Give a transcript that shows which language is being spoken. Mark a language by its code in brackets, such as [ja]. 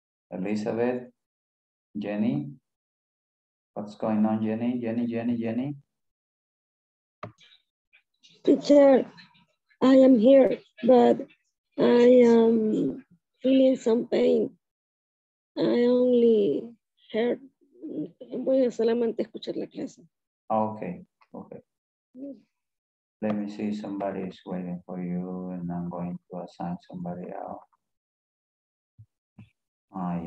[en] Elizabeth, Jenny. What's going on, Jenny? Teacher, I am here, but I am feeling some pain. I only heard, [es] voy a solamente escuchar la clase. [en] Okay. Let me see, somebody is waiting for you and I'm going to assign somebody else.